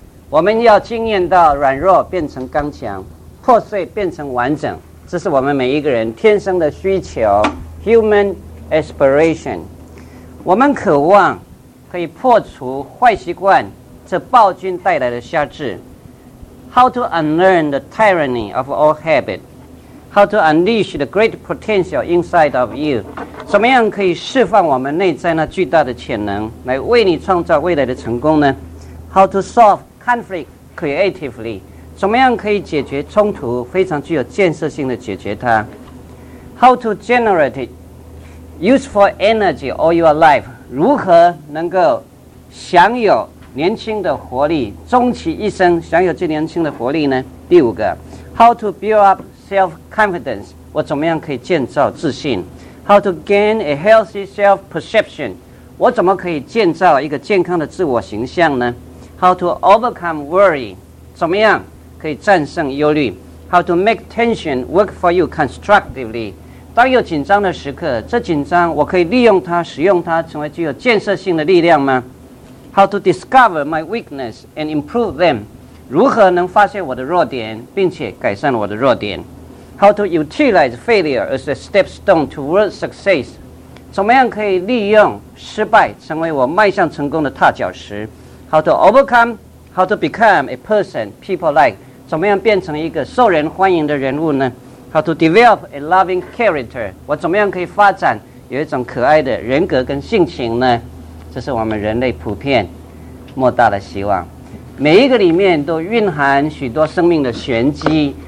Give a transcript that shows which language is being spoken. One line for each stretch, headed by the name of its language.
Chinese: 我们要经验到软弱变成刚强，破碎变成完整，这是我们每一个人天生的需求 ，
English: human aspiration。
Chinese: 我们渴望可以破除坏习惯，这暴君带来的辖制。
English: How to unlearn the tyranny of all habit? How to unleash the great potential inside of you?
Chinese: 怎么样可以释放我们内在那巨大的潜能，来为你创造未来的成功呢？
English: How to solve conflict creatively?
Chinese: 怎么样可以解决冲突，非常具有建设性的解决它？
English: How to generate useful energy all your life?
Chinese: 如何能够享有年轻的活力，终其一生享有最年轻的活力呢？第五个
English: ，How to build up self-confidence?
Chinese: 我怎么样可以建造自信
English: ？How to gain a healthy self-perception?
Chinese: 我怎么可以建造一个健康的自我形象呢 ？
English: How to overcome worry?
Chinese: 怎么样可以战胜忧虑
English: ？How to make tension work for you constructively?
Chinese: 当有紧张的时刻，这紧张我可以利用它，使用它成为具有建设性的力量吗？
English: How to discover my weakness and improve them?
Chinese: 如何能发现我的弱点，
English: 并且改善我的弱点 ？How to utilize failure as a stepstone towards success?
Chinese: 怎么样可以利用失败成为我迈向成功的踏脚石 ？
English: How to overcome? How to become a person people like?
Chinese: 怎么样变成一个受人欢迎的人物呢 ？
English: How to develop a loving character?
Chinese: 我怎么样可以发展有一种可爱的人格跟性情呢？这是我们人类普遍莫大的希望，每一个里面都蕴含许多生命的玄机。